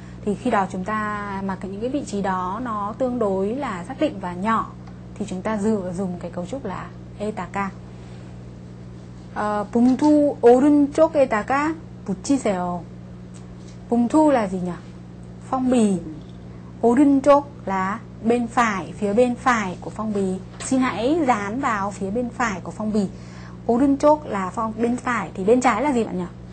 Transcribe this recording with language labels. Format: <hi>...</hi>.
<vi>Thì khi đó chúng ta mà những cái vị trí đó nó tương đối là xác định và nhỏ thì chúng ta dùng cái cấu trúc là 에다가.</vi> <ko>봉투 오른쪽에다가 붙이세요.</ko> <vi>봉투 là gì nhỉ? Phong bì. 오른쪽 là bên phải, phía bên phải của phong bì. Xin hãy dán vào phía bên phải của phong bì. 오른쪽 là phong bên phải, thì bên trái là gì bạn nhỉ?</vi>